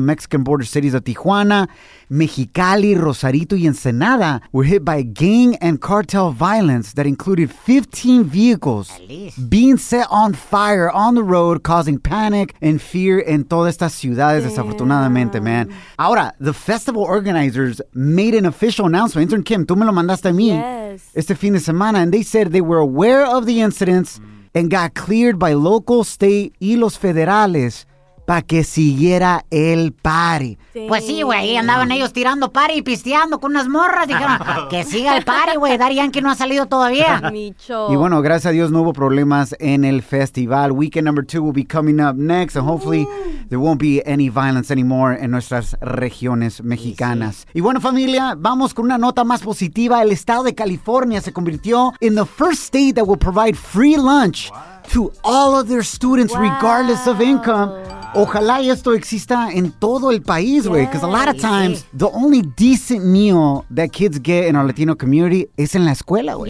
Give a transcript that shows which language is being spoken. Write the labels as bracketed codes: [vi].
[en] The Mexican border cities of Tijuana, Mexicali, Rosarito y Ensenada were hit by gang and cartel violence that included 15 vehicles being set on fire on the road, causing panic and fear in [es] todas estas ciudades, desafortunadamente, [en] man. Ahora, the festival organizers made an official announcement. [es] Intern Kim, tú me lo mandaste a mí. [en] Yes. [es] Este fin de semana, [en] and they said they were aware of the incidents and got cleared by local, state, [es] y los federales pa' que siguiera el party. Sí. Pues sí, güey, andaban ellos tirando party y pisteando con unas morras. Dijeron, que siga el party, güey, Daddy Yankee no ha salido todavía. Micho. Y bueno, gracias a Dios no hubo problemas en el festival. [en] Weekend number two will be coming up next, and hopefully there won't be any violence anymore [es] en nuestras regiones mexicanas. Sí, sí. Y bueno, familia, vamos con una nota más positiva. El estado de California se convirtió [en] in the first state that will provide free lunch. What? To all of their students, wow, regardless of income. Wow. [es] Ojalá esto exista en todo el país, güey. [en] Yes. Because a lot of times, the only decent meal that kids get in our Latino community is in [es] la escuela, güey.